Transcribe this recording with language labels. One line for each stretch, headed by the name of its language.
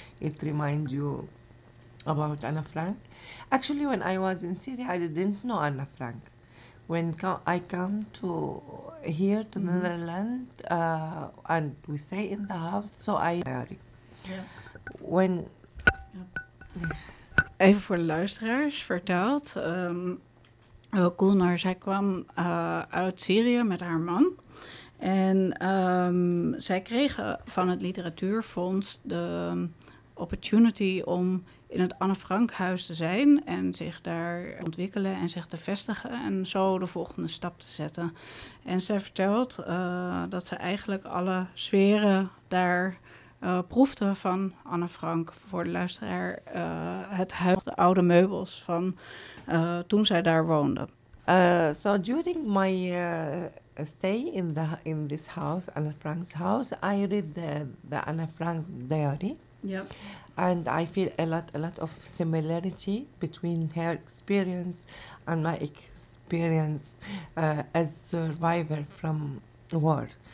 English: It reminds you about Anne Frank. Actually, when I was in Syria, I didn't know Anne Frank. When I come to here to mm-hmm. Netherlands and we stay in the house, so I diary. When
Dutch: even voor luisteraars verteld, Gulnar, zij kwam uit Syrië met haar man. En zij kregen van het literatuurfonds de opportunity om in het Anne Frank huis te zijn en zich daar ontwikkelen en zich te vestigen en zo de volgende stap te zetten. En zij vertelt dat ze eigenlijk alle sferen daar proefde van Anne Frank. Voor de luisteraar, het huis, de oude meubels van toen zij daar woonde.
English: So during my stay in this house, Anne Frank's house, I read the Anne Frank's diary. Yeah. And I feel a lot of similarity between her experience and my experience as survivor from war.